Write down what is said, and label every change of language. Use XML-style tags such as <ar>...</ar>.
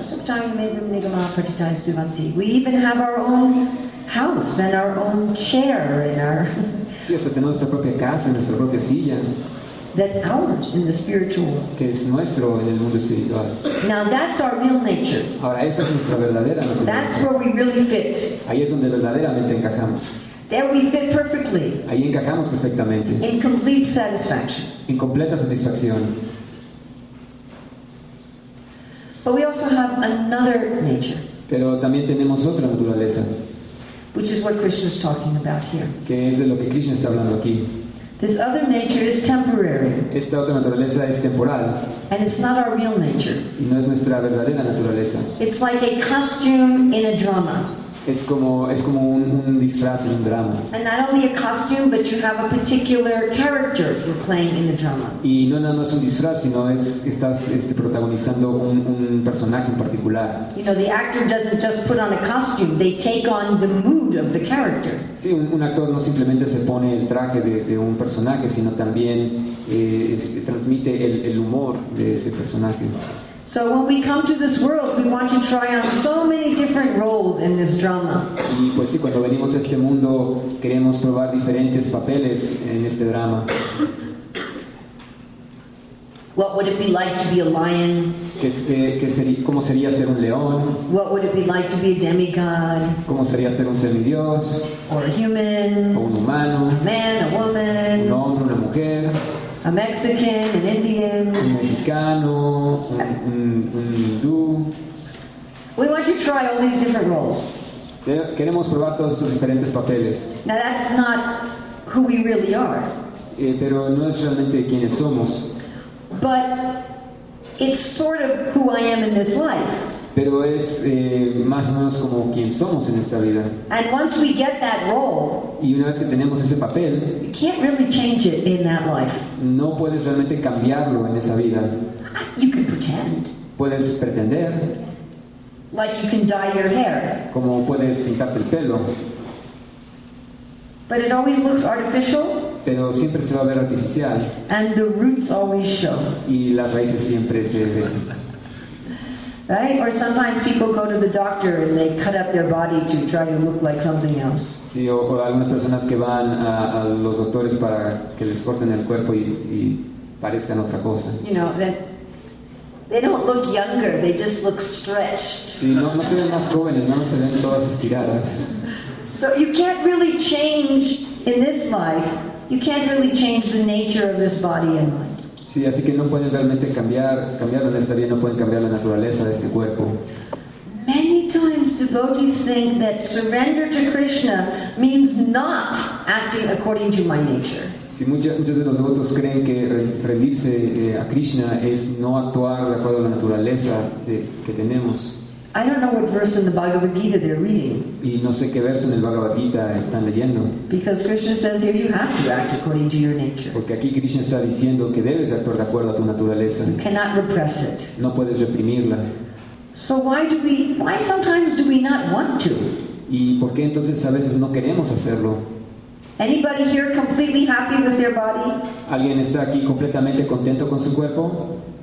<en>We even have our own house and our own chair in our.</en> <es>Sí, hasta tenemos nuestra propia casa, nuestra propia silla.</es> <en>That's ours in the spiritual world.</en> <es>Que es nuestro en el mundo espiritual.</es> <en>Now that's our real nature.</en> <es>Ahora, esa es nuestra verdadera naturaleza.</es> <en>That's where we really fit.</en> <es>Ahí es donde verdaderamente encajamos.</es> <en>There we fit perfectly.</en> <es>Ahí encajamos perfectamente.</es> <en>In complete satisfaction.</en> <es>En completa satisfacción.</es> <en>But we also have another nature.</en> <es>Pero también tenemos otra naturaleza.</es> <en>Which is what Krishna is talking about here.</en> <es>Que es de lo que Krishna está hablando aquí.</es> <en>This other nature is temporary.</en> <es>Esta otra naturaleza es temporal.</es> <en>And it's not our real nature.</en> <es>Y no es nuestra verdadera naturaleza.</es> <en>It's like a costume in a drama.</en> <es>Es como un disfraz en un drama.</es> <en>And not only a costume, but you have a particular character you're playing in the drama.</en> <es>Y no nada más un disfraz, sino es estás protagonizando un personaje en particular.</es> <en>You know, the actor doesn't just put on a costume; they take on the mood of the character.</en> <es>Sí, un actor no simplemente se pone el traje de un personaje, sino también transmite el humor de ese personaje.</es> <en>So when we come to this world, we want to try on so many different roles in this drama.</en> <es>Y pues sí, cuando venimos a este mundo, queremos probar diferentes papeles en este drama.</es> <en>What would it be like to be a lion?</en> <es>¿Cómo sería ser un león?</es> <en>What would it be like to be a demigod?</en> <es>¿Cómo sería ser un semidios?</es> <en>Or a human?</en> <es>¿O un humano?</es> <en>A man, a woman?</en> <es>¿Un hombre, una mujer?</es> <en>A Mexican, an Indian,</en> <es>un mexicano, un hindú.</es> <en>We want to try all these different roles.</en> <es>Queremos probar todos estos diferentes papeles.</es> <en>Now that's not who we really are.</en> <es>Pero no es realmente quiénes somos.</es> <en>But it's sort of who I am in this life.</en> <es>Pero es más o menos como quien somos en esta vida.</es> <en>And once we get that role,</en> <es>y una vez que tenemos ese papel,</es> <en>you can't really change it in that life.</en> <es>No puedes realmente cambiarlo en esa vida.</es> <en>You can pretend.</en> <es>Puedes pretender.</es> <en>Like you can dye your hair.</en> <es>Como puedes pintarte el pelo.</es> <en>But it always looks artificial.</en> <es>pero siempre se va a ver artificial.</es> <en>And the roots always show.</en> <es>Y las raíces siempre se ven.</es> <en>Right? Or sometimes people go to the doctor and they cut up their body to try to look like something else.</en> <es>Sí, o algunas personas que van a los doctores para que les corten el cuerpo y parezcan otra cosa.</es> <en>You know, they don't look younger, they just look stretched.</en> <es>Sí, no se ven más jóvenes, no se ven todas estiradas.</es> <en>So you can't really change in this life, you can't really change the nature of this body and mind.</en> <es>Sí, así que no pueden realmente cambiar en esta vida, no pueden cambiar la naturaleza de este cuerpo.</es> <en>Many times devotees think that surrender to Krishna means not acting according to my nature.</en> <es>Sí, muchos de los devotos creen que rendirse a Krishna es no actuar de acuerdo a la naturaleza que tenemos.</es> <en>I don't know what verse in the Bhagavad Gita they're reading.</en> <es>Y no sé qué verso en el Bhagavad Gita están leyendo.</es> <en>Because Krishna says here you have to act according to your nature.</en> <es>Porque aquí Krishna está diciendo que debes actuar de acuerdo a tu naturaleza.</es> <en>You cannot repress it.</en> <es>No puedes reprimirla.</es> <en>So why sometimes do we not want to?</en> <es>¿Y por qué entonces a veces no queremos hacerlo?</es> <en>Anybody here completely happy with their body?</en> <es>¿Alguien está aquí completamente contento con su cuerpo?</es>